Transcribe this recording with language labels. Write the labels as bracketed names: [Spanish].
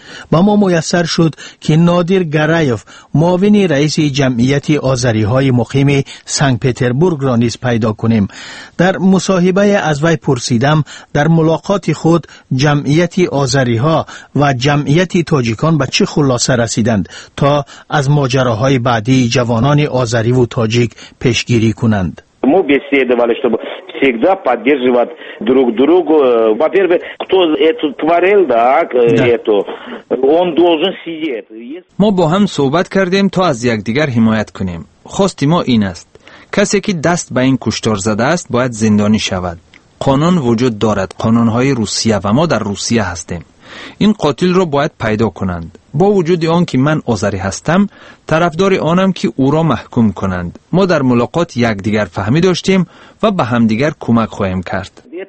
[Persian] با ما میسر شد که نادر گرایف معاون رئیس جمعیت آذری های مقیم سنگ پیتربورگ را نیز پیدا کنیم در مصاحبه از وی پرسیدم در ملاقات خود جمعیت آذری ها و جمعیت تاجیکان به چه خلاصه رسیدند تا از ماجراهای بعدی جوانان آذری و تاجیک پیشگیری کنند [Russian] мы беседовали, чтобы всегда поддерживать друг друга. Во-первых, кто это творил, да, это, он должен сидеть. [Persian] Мы با هم صحبت کردیم تا از یکدیگر حمایت کنیم. خواست ما این است. کسی که دست به این کشتار زده است باید زندانی شود. قانون وجود دارد. قانون‌های روسیه و ما در روسیه هستیم. این قاتل را باید پیدا کنند با وجود آن که من آذری هستم طرفدار آنم که او را محکوم کنند ما در ملاقات یک دیگر فهمی داشتیم و به هم دیگر کمک خواهیم کرد